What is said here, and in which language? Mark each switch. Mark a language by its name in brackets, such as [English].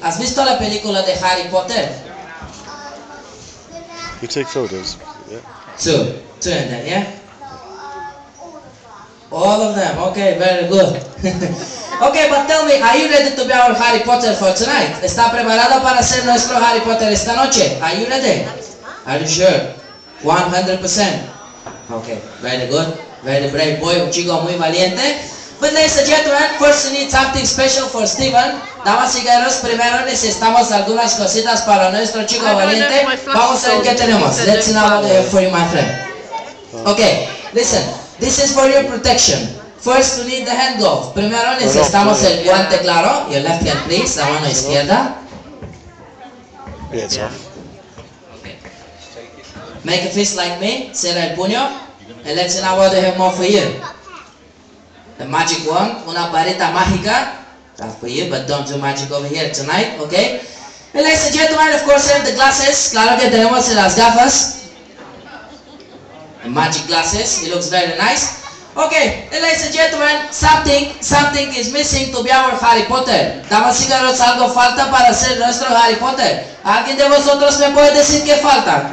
[Spanish] ¿Has visto la película de Harry Potter? [English] You take photos. Two in there, yeah? All of them, okay, very good. Okay, but tell me, are you ready to be our Harry Potter for tonight? [Spanish] ¿Está preparado para ser nuestro Harry Potter esta noche? [English] Are you ready? Are you sure? 100%? Okay, very good. Very brave boy, [Spanish] un chico muy valiente. [English] But ladies and gentlemen, first we need something special for Stephen. [Spanish] Damas y caballeros, primero necesitamos algunas cositas para nuestro chico valiente. Vamos a ver qué tenemos. [English] Let's see now what we have for you, my friend. Okay, listen. This is for your protection. First we need the hand glove. [Spanish] Primero necesitamos el guante claro. [English] Your left hand, please. [Spanish] La mano izquierda. [English] Yeah, it's off. Okay. Make a fist like me. [Spanish] Cierra el puño. [English] And let's see now what we have more for you. The magic wand, [Spanish] una varita mágica. [English] That's for you, but don't do magic over here tonight, okay? And ladies and gentlemen, of course, have the glasses. [Spanish] Claro que tenemos las gafas. [English] The magic glasses, it looks very nice. Okay, and ladies and gentlemen, something is missing to be our Harry Potter. [Spanish] Damas y caballeros, algo falta para ser nuestro Harry Potter. ¿Alguien de vosotros me puede decir qué falta?